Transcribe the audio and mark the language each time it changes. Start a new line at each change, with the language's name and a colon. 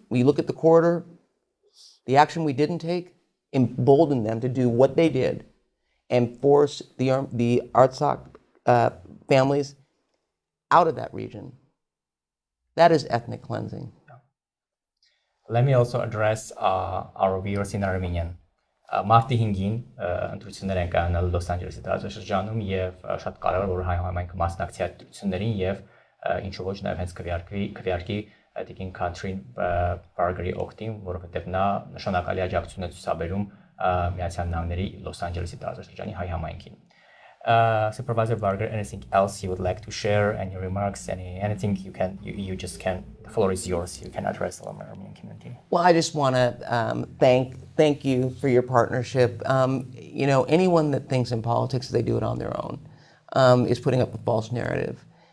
English: We look at the corridor, the action we didn't take emboldened them to do what they did and force the Artsakh families out of that region. That is ethnic cleansing. Let me also address our viewers in Armenian.
Armenian: Մարտի 5-ին ընտրություններ են կայանալու Լոս Անջելեսի տարածաշրջանում եւ շատ կարեւոր որ հայ համայնքը մասնակցի այդ ընտրություններին եւ ինչ ոչ նաեւ հենց քվեարկի տիկին Քաթրին Բարգերի օգտին, որովհետեւ նա նշանակալի աջակցություն է ցուցաբերում միացյալ նահանգների Լոս Անջելեսի տարածաշրջանի հայ համայնքին.
English: Supervisor Barger, anything else you would like to share, any remarks, anything you can, you just can, the floor is yours, you can address the Armenian community. Well, I just want to thank you for your partnership. You know, anyone that thinks in politics, they do it on their own, is putting up a false narrative.